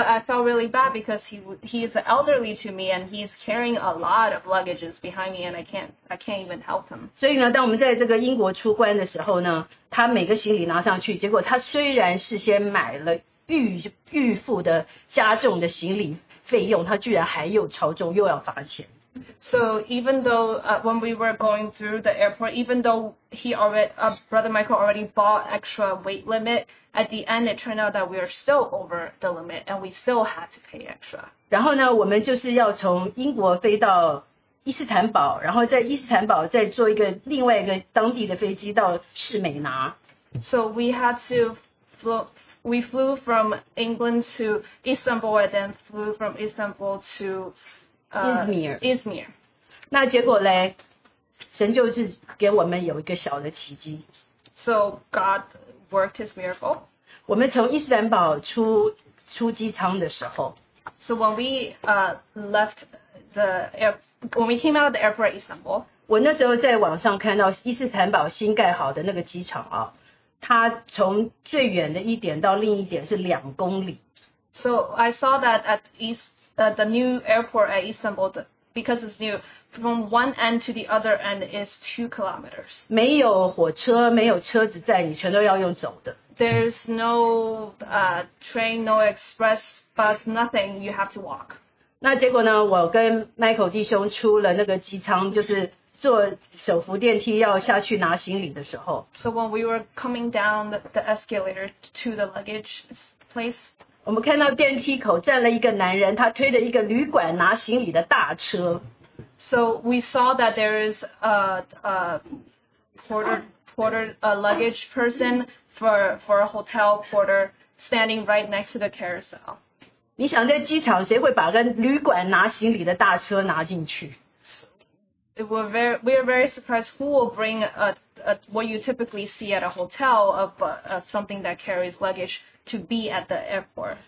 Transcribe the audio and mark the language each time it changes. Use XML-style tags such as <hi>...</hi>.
<en>But I felt really bad because he is elderly to me and he's carrying a lot of luggages behind me and I can't even help him.</en> <zh>所以呢，当我们在这个英国出关的时候呢，他每个行李拿上去，结果他虽然事先买了预付的加重的行李费用，他居然还又超重，又要罚钱。</zh> <en>So even though when we were going through the airport, even though Brother Michael already bought extra weight limit, at the end it turned out that we are still over the limit and we still had to pay extra.</en> <zh>然后呢，我们就是要从英国飞到伊斯坦堡，然后在伊斯坦堡再坐一个另外一个当地的飞机到士美拿。</zh> <en>So we had to flew from England to Istanbul and then flew from Istanbul to. Izmir.</en> <zh>那结果呢，神就是给我们有一个小的奇迹。</zh> <en>So God worked his miracle.</en> <zh>我们从伊斯坦堡出机舱的时候。</zh> <en>So when we left the airport, when we came out of the airport at Istanbul.</en> <zh>我那时候在网上看到伊斯坦堡新盖好的那个机场啊，它从最远的一点到另一点是2公里。</zh> <en>So I saw that at the new airport at Istanbul, because it's new, from one end to the other end is 2 kilometers.</en> <zh>没有火车，没有车子载你，全都要用走的。</zh> <en>There's no train, no express bus, nothing. You have to walk.</en> <zh>那结果呢？我跟 Michael 弟兄出了那个机舱，就是坐手扶电梯要下去拿行李的时候。</zh> <en>So when we were coming down the escalator to the luggage place.</en> <zh>我们看到电梯口站了一个男人，他推着一个旅馆拿行李的大车。</zh> <en>So we saw that there is a porter luggage person for a hotel porter standing right next to the carousel.</en> <zh>你想在机场谁会把个旅馆拿行李的大车拿进去？</zh> <en>We are very surprised who will bring what you typically see at a hotel of something that carries luggage to be at the airport.</en>